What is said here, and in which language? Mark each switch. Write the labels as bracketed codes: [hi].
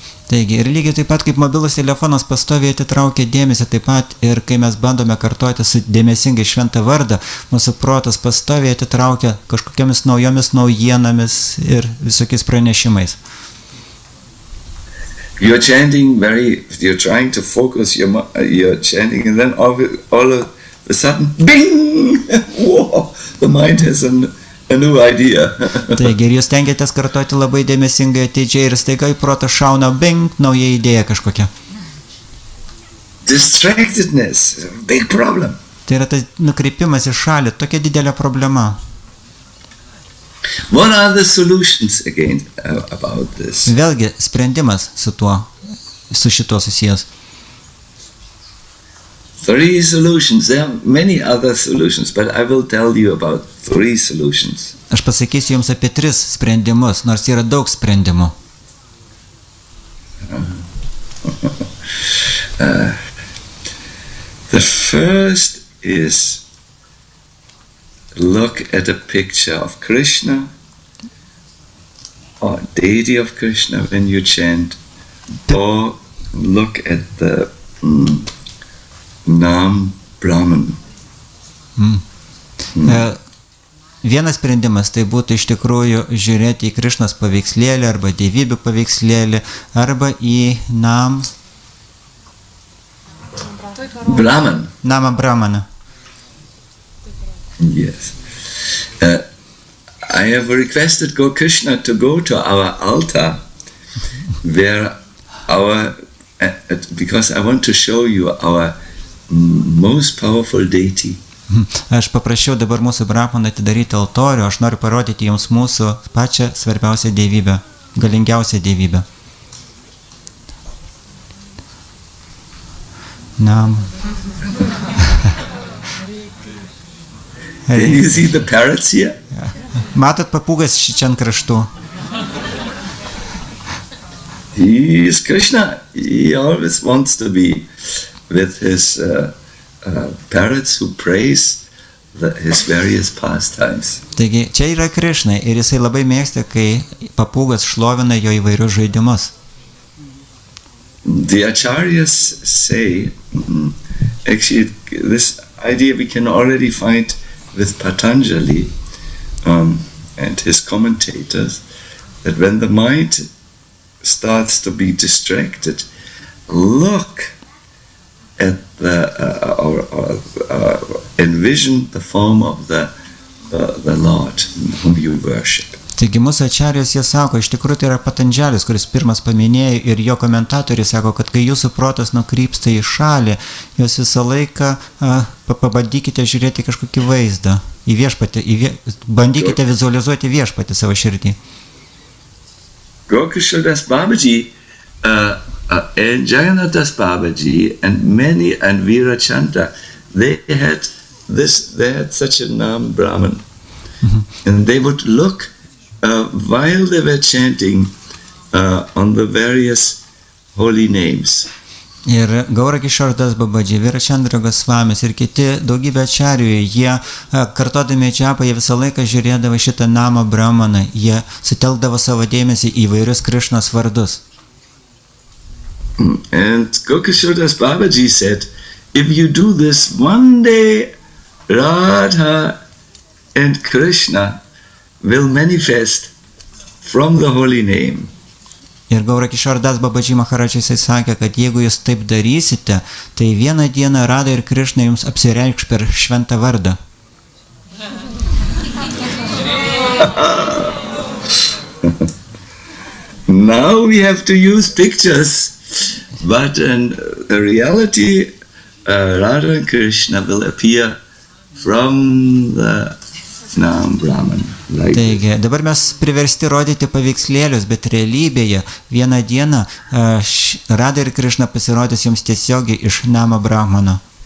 [lt] Taigi, ir lygiai taip pat, kaip mobilus telefonas pastoviai atitraukia dėmesį, taip pat ir kai mes bandome kartuoti su dėmesingai šventą vardą, mūsų protas pastoviai atitraukia kažkokiamis naujomis naujienomis ir visokiais pranešimais. [en] You're chanting very, you're trying to focus, you're chanting, and then all of a sudden, bing, wow, the mind has a new idea. [lt] Taigi, ir jūs tengiatės kartuoti labai dėmesingai ateidžiai ir staiga į protą šauna bing, nauja idėja kažkokia. [en] Distractedness, big problem. [lt] Tai yra tas nukreipimas į šalį, tokia didelė problema. [en] What are the solutions again about this? [lt] Vėlgi, sprendimas su šituo susijęs. [en] Three solutions. There are many other solutions, but I will tell you about three solutions. [lt] Aš pasakysiu jums apie tris sprendimus, nors yra daug sprendimų. [en] The first is look at a picture of Krishna or deity of Krishna when you chant, or look at the Nam Brahman. [lt] Vienas sprendimas tai būtų iš tikrųjų žiūrėti į Krišnos paveikslėlį arba dievybių paveikslėlį arba į Nam Brahman. Nama Brahmana. [en] Yes. I have requested Go Krishna to go to our altar where our because I want to show you our most powerful deity. [lt] Aš paprašiau dabar mūsų Brahmaną atidaryti altorių, aš noriu parodyti jums mūsų pačią svarbiausią dievybę, galingiausią dievybę. [en] Nam. Can you see the parrots here? [lt] Matot papūgas šičian kraštų? [en] He is Krishna. He always wants to be with his parrots who praise his various pastimes. [lt] Taigi, čia yra Krishna ir jisai labai mėgsta, kai papūgas šlovina jo įvairius žaidimus. [en] The acharyas say, actually, this idea we can already find with Patanjali and his commentators, that when the mind starts to be distracted, look at the envision the form of the Lord whom you worship. [lt] Taigi mūsų ačiarijos jie sako, iš tikrųjų tai yra Patanjalis, kuris pirmas paminėjo ir jo komentatoriai sako, kad kai jūsų protas nukrypsta į šalį, jūs visą laiką pabandykite žiūrėti kažkokį vaizdą, į viešpatį, bandykite vizualizuoti viešpatį savo širdį. [en] Gokishodas Babaji, Jagannathas Babaji and many and Dhirašanta, they had such a nam Brahman. And they would look while they were chanting on the various holy names. [lt] Ir Gaura Kishordas Babaji, Dhirašanta Gosvamis ir kiti daugybė ačiarijų, jie kartodami džiapą, jie visą laiką žiūrėdavo šitą namą Brahmaną, jie sutelkdavo savo dėmesį į įvairius Krišnos vardus. [en] And Gokishordas Babaji said, if you do this one day, Radha and Krishna will manifest from the holy name. [lt] Ir Gaura Kishordas Babaji Maharajas sakė, kad jeigu jūs taip darysite, tai vieną dieną Radha ir Krishna jums apsireikš per šventą vardą. [en] Now we have to use pictures, but in reality, Radha and Krishna will appear from the Nam Brahman. [lt] Taigi, dabar mes priversti rodyti paveikslėlius, bet realybėje vieną dieną Radha ir Krishna pasirodys jums tiesiogiai iš Nama Brahmano.